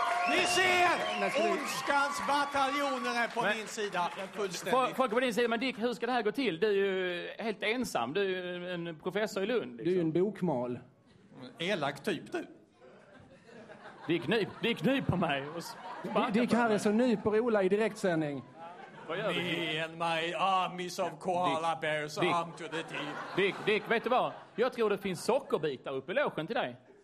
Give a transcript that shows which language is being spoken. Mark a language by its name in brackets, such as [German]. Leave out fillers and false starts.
[Swedish] Ni ser! Ondskans bataljoner är på din sida. Fullständigt. Folk på din sida, men Dick, hur ska det här gå till? Du är ju helt ensam. Du är en professor i Lund. Liksom. Du är en bokmal. Elak typ, du. Dick nyp på mig. Dick här är så nyper Ola i direktsändning. [English] Me and my armies of koala bears arm to the team. [Swedish] Dick, vet du vad? Jag tror det finns sockerbitar uppe i logen till dig.